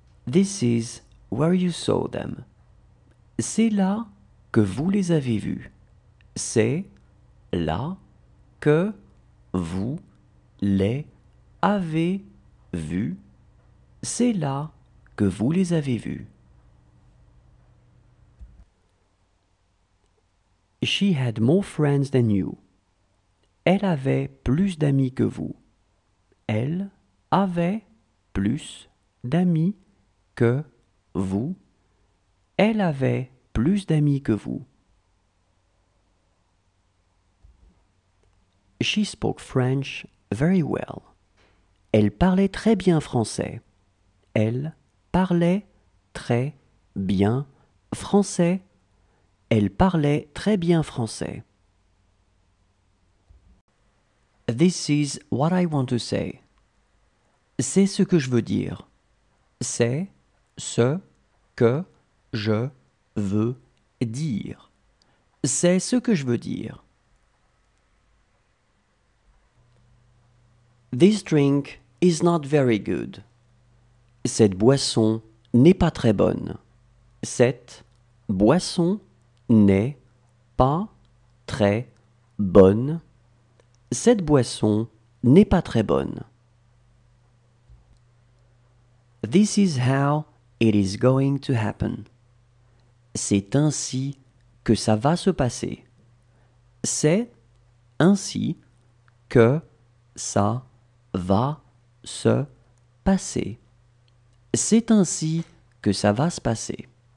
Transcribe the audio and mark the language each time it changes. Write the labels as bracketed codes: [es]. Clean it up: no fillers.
[en] This is where you saw them. [fr] C'est là que vous les avez vus. C'est là que vous les avez vus. C'est là que vous les avez vus. [en] She had more friends than you. [fr] Elle avait plus d'amis que vous. Elle avait plus d'amis que vous. Elle avait plus d'amis que vous. [en] She spoke French very well. [fr] Elle parlait très bien français. Elle parlait très bien français. Elle parlait très bien français. [en] This is what I want to say. [fr] C'est ce que je veux dire. C'est ce que je veux dire. C'est ce que je veux dire. [en] This drink is not very good. [fr] Cette boisson n'est pas très bonne. Cette boisson n'est pas très bonne. Cette boisson n'est pas très bonne. [en] This is how it is going to happen. [fr] C'est ainsi que ça va se passer. C'est ainsi que ça va se passer. C'est ainsi que ça va se passer.